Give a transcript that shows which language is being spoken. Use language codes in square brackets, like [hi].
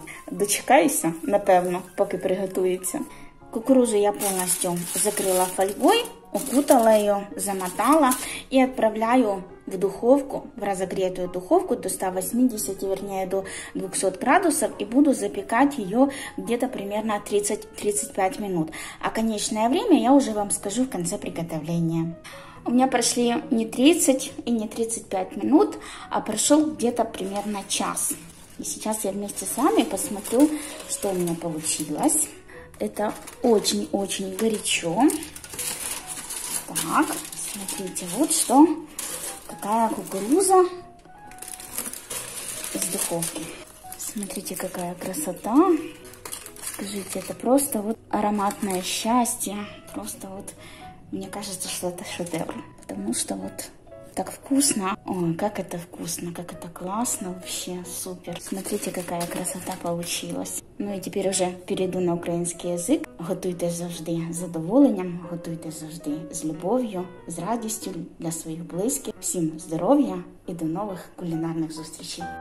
[uk] Дочекаюся, напевно, поки приготується. Кукурузу я повністю закрила фольгою, окутала її, замотала і відправляю в духовку, в розігрету духовку до 180, [ru] вернее, [uk] до 200 градусів і буду запікати її [ru] где-то примерно 30-35 минут. А конечное время я уже вам скажу в конце приготовления. У меня прошли не 30 и не 35 минут, а прошел где-то примерно час. И сейчас я вместе с вами посмотрю, что у меня получилось. Это очень-очень горячо. Так, смотрите, вот что. Какая кукуруза из духовки. Смотрите, какая красота. Скажите, это просто вот ароматное счастье. Просто вот, мне кажется, что это шедевр. Потому что вот так вкусно. Ой, как это вкусно, как это классно вообще, супер. Смотрите, какая красота получилась. Ну и теперь уже перейду на украинский язык. [uk] Готуйте завжди с задоволенням, готуйте завжди [ru] с любовью, с радостью для своих близких. Всем здоровья и до новых кулинарных встреч.